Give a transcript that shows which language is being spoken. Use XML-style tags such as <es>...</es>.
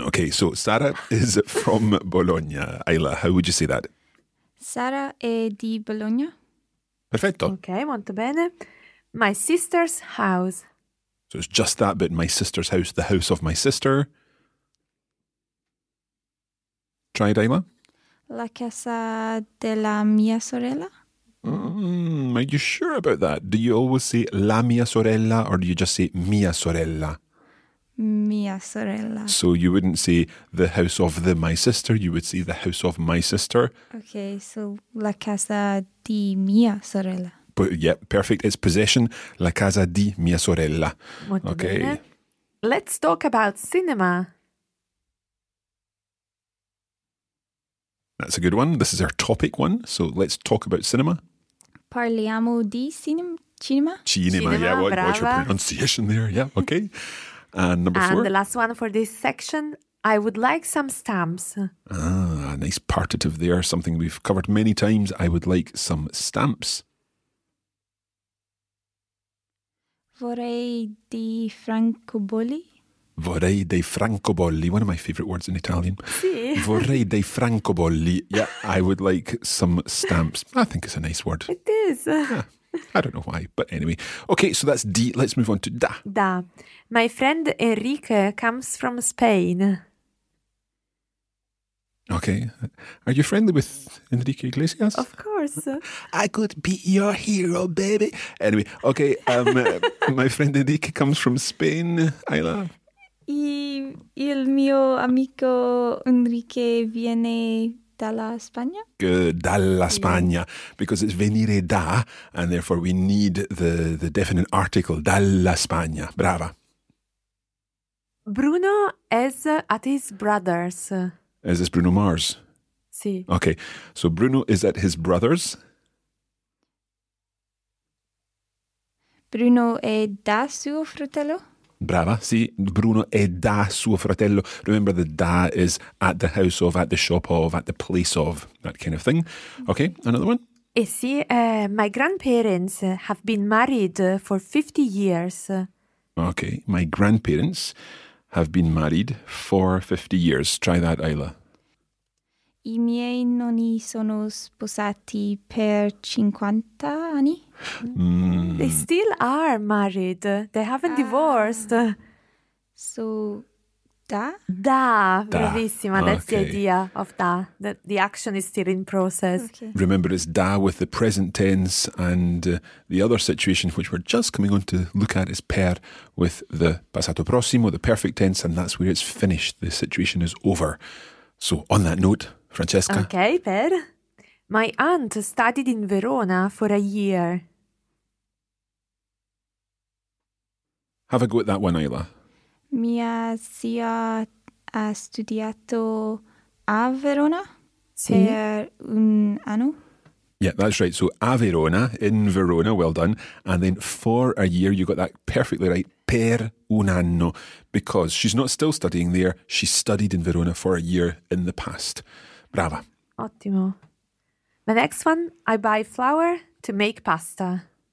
<en>Okay, so Sara is from Bologna. Ayla, how would you say that?</en> <it>Sara è di Bologna. Perfetto.</it> <en>Okay, molto bene. My sister's house. So it's just that bit, my sister's house, the house of my sister. Try it, Ayla.</en> <it>La casa della mia sorella.</it> <en>Are you sure about that? Do you always say la mia sorella or do you just say mia sorella?</en> <it>Mia sorella.</it> <en>So you wouldn't say the house of my sister, you would say the house of my sister.</en> <it>Okay, so la casa di mia sorella.</it> <en>But yeah, perfect. It's possession, la casa di mia sorella. Molto okay. Bene. Let's talk about cinema. That's a good one. This is our topic one. So let's talk about cinema.</en> <it>Parliamo di cinema.</it> <en>Cinema, yeah. Watch your pronunciation there. Yeah, okay. And number four. And the last one for this section, I would like some stamps. Ah, nice partitive there. Something we've covered many times. I would like some stamps.</en> <it>Vorrei dei francobolli. Vorrei dei francobolli.</it> <en>One of my favourite words in Italian.</en> <it>Sì. Vorrei dei francobolli.</it> <en>Yeah, I would like some stamps. I think it's a nice word. It is. Yeah, I don't know why, but anyway. Okay, so that's D. Let's move on to Da.</en> <it>Da.</it> <en>My friend Enrique comes from Spain. Okay. Are you friendly with Enrique Iglesias? Of course. I could be your hero, baby. Anyway, okay. my friend Enrique comes from Spain. I love.</en> <it>E il mio amico Enrique viene dalla Spagna.</it> <en>Good, dalla Spagna, because it's venire da, and therefore we need the definite article, dalla Spagna. Brava. Bruno is at his brother's. Is this Bruno Mars?</en> <it>Sì.</it> <en>Okay, so Bruno is at his brother's.</en> <it>Bruno è da suo fratello? Brava, sì, Bruno è da suo fratello.</it> <en>Remember the da is at the house of, at the shop of, at the place of, that kind of thing. Okay, another one. My grandparents have been married for 50 years. Okay, my grandparents have been married for 50 years. Try that, Ayla.</en> <it>I miei nonni sono sposati per 50 anni.</it> <en>They still are married. They haven't divorced. So, da? Da, bravissima. Okay. That's the idea of da. The action is still in process. Okay. Remember, it's da with the present tense, and the other situation which we're just coming on to look at is per with the passato prossimo, the perfect tense, and that's where it's finished. The situation is over. So, on that note, Francesca. Okay, per. My aunt studied in Verona for a year. Have a go at that one, Ayla.</en> <it>Mia zia ha studiato a Verona per un anno.</it> <en>Yeah, that's right. So a Verona, in Verona, well done. And then for a year, you got that perfectly right, per un anno. Because she's not still studying there, she studied in Verona for a year in the past.</en> <it>Brava. Ottimo.</it> <en>The next one, I buy flour to make pasta.</en>